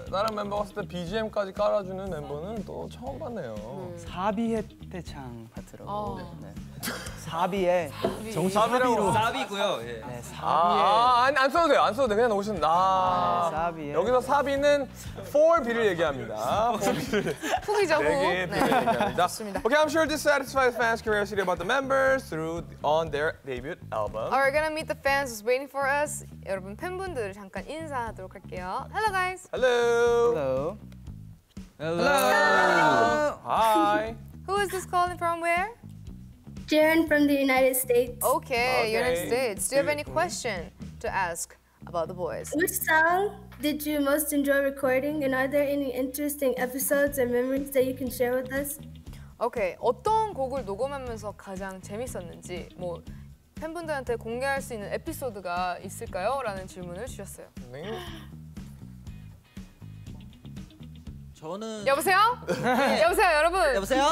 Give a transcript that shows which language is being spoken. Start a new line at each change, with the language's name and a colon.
Korean: 다른 멤버 왔을 때 BGM까지 깔아주는 멤버는 또 처음 봤네요. 사비의 대창 파트라고. 네. 사비의 정 사비로 사비고요. 예. 네 사비의 안 써도 돼요. 안 써도 돼 그냥 오신 나 사비 네, 여기서 사비는 4B를 얘기합니다. 4B죠 4B 얘기합니다.
English: 오케이, I'm sure this satisfies fans' curiosity about the members through on their debut album. Alright, we're gonna meet the fans who's waiting for us.
Korean: 여러분 팬분들 잠깐 인사하도록 할게요.
English: Hello guys. Hello. Hello. Hello. Hi. Who is this calling from? Where? Jaren from the United States. Okay, United States. Do you have any question to ask about the boys? Which song did you most enjoy recording? And are there any interesting episodes or memories that you can share with us?
Korean: Okay, 어떤 곡을 녹음하면서 가장 재밌었는지 뭐 팬분들한테 공개할 수 있는 에피소드가 있을까요? 라는 질문을 주셨어요. 네. 저는 여보세요? 네. 여보세요, 여러분. 여보세요?